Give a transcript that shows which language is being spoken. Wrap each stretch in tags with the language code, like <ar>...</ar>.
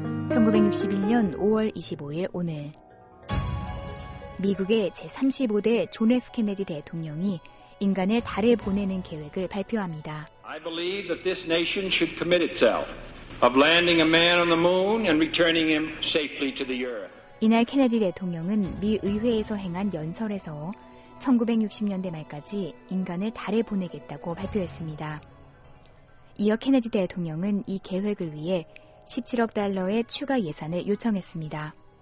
<ko>1961년 5월 25일 오늘, 미국의 제35대 존 F. 케네디 대통령이 인간을 달에 보내는 계획을 발표합니다.</ko> <en>I believe that this nation should commit itself. Of landing a man on the moon and returning him safely to the earth.</en> <ko>이날 케네디 대통령은 미 의회에서 행한 연설에서 1960년대 말까지 인간을 달에 보내겠다고 발표했습니다. 이어 케네디 대통령은 이 계획을 위해 17억 달러의 추가 예산을 요청했습니다.</ko>